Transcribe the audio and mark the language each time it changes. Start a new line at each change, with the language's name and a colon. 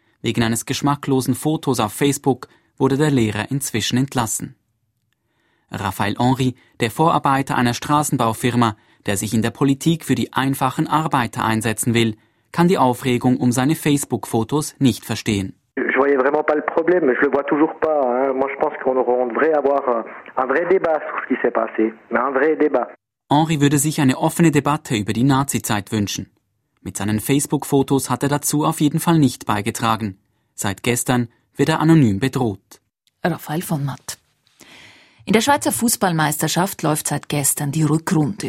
German: Wegen eines geschmacklosen Fotos auf Facebook wurde der Lehrer inzwischen entlassen. Raphael Henri, der Vorarbeiter einer Straßenbaufirma, der sich in der Politik für die einfachen Arbeiter einsetzen will, kann die Aufregung um seine Facebook-Fotos nicht verstehen.
French: Je voyais vraiment pas le problème, je le vois toujours pas. Moi je pense qu'on devrait avoir un vrai débat sur ce qui s'est passé, un vrai débat.
German: Henri würde sich eine offene Debatte über die Nazizeit wünschen. Mit seinen Facebook-Fotos hat er dazu auf jeden Fall nicht beigetragen. Seit gestern wird er anonym bedroht. Raphael von Matt. In der Schweizer Fußballmeisterschaft läuft seit gestern die Rückrunde.